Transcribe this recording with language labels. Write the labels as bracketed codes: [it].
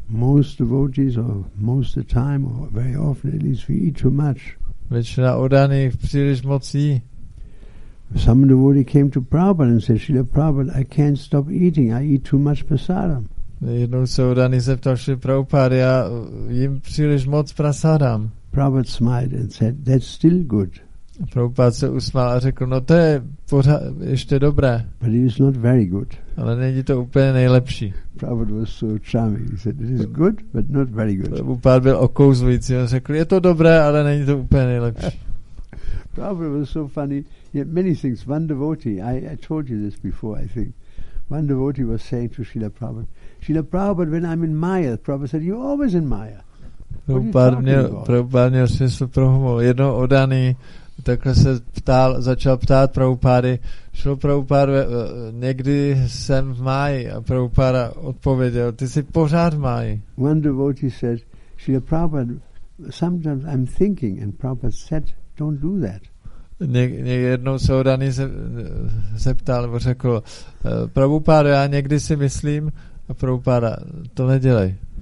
[en] Most devotees or most the time or very often at least we eat too much. [cs] Většina oddaných příliš moc jí. [en] Some devotee came to Prabhupada and said, Srila Prabhupada, I can't stop eating. I eat too much prasadam. [cs] Jednou se oddaný zeptal Srila Prabhupada, já jim příliš moc prasadam. [en] Prabhupada smiled and said, that's still good. [cs] Prabhupada se usmál a řekl, no to je pořád ještě dobré. [en] But it is not very good. [cs] Ale není to úplně nejlepší. [en] Prabhupada was so charming. He said, it is good, but not very good. Prabhupada byl okouzlující. On řekl, je to dobré, ale není to úplně nejlepší. Prabhupada was so funny. Yet many things. One devotee, I told you this before, I think. One devotee was saying to Srila Prabhupada, Srila Prabhupada, when I'm in Maya, Prabhupada said, you're always in Maya. [cs] Prabhupada měl smysl pro humor. Jednou oddaný takhle se ptal, začal ptát Prabhupády. Šlo Prabhupáda, někdy jsem v máji, a Prabhupáda odpověděl, ty jsi pořád v máji. [en] One devotee says, Srila Prabhupada, sometimes I'm thinking, and Prabhupada said, don't do that. [cs] Jednou se Odaný zeptal, nebo řekl, Prabhupáda, já někdy si myslím, a Prabhupáda, to nedělej.